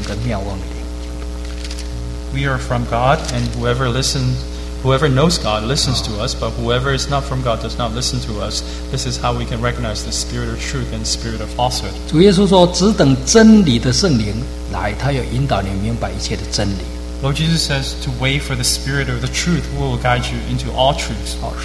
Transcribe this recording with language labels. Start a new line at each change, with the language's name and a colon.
Chinese: 我们是属神的，认识神就听从我们；不认识神就不听从我们。从此，我们就认出真理的灵跟妙望的灵。
English: We are from God, and whoever knows God listens to us. But whoever is not from God does not listen to us. This is how we can recognize the spirit of truth and spirit of falsehood.
Chinese: 主耶稣说：“只等真理的圣灵来，他要引导你明白一切的真理。”
English: Lord Jesus says to wait for the Spirit of the truth who will guide you into all truths.